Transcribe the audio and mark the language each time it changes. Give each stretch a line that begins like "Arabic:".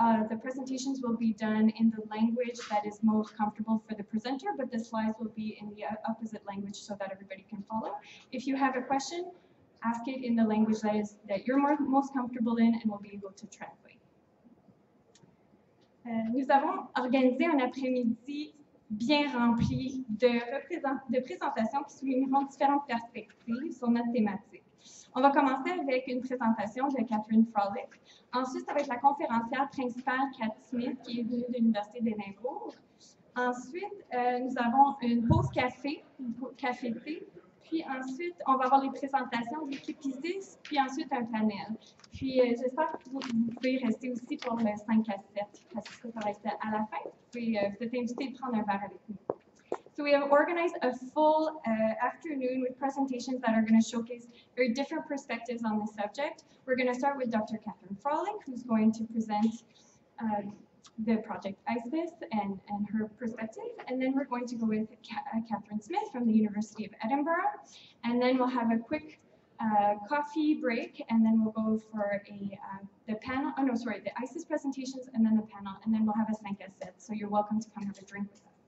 English: The presentations will be done in the language that is most comfortable for the presenter, but the slides will be in the opposite language so that everybody can follow. If you have a question, ask it in the language that is that you're most comfortable in and we'll be able to translate.
French: Nous avons organisé un après-midi bien rempli de présentations qui souligneront différentes perspectives sur notre thématique. On va commencer avec une présentation de Katherine Frohlich, ensuite avec la conférencière principale Kat Smith qui est venue de l'Université d'Edinburgh. Ensuite, nous avons une pause café, café-thé. Puis ensuite, on va avoir les présentations de l'équipe ISIS, puis ensuite un panel. Puis j'espère que vous pouvez rester aussi pour le 5 à 7, parce que ça va être à la fin. Puis vous êtes invité à prendre un verre avec nous.
English: So we have organized a full afternoon with presentations that are going to showcase very different perspectives on the subject. We're going to start with Dr. Katherine Frohlich, who's going to present the project ISIS and her perspective, and then we're going to go with Catherine Smith from the University of Edinburgh, and then we'll have a quick coffee break, and then we'll go for the ISIS presentations, and then the panel, and then we'll have a Sanka set, so you're welcome to come have a drink with us.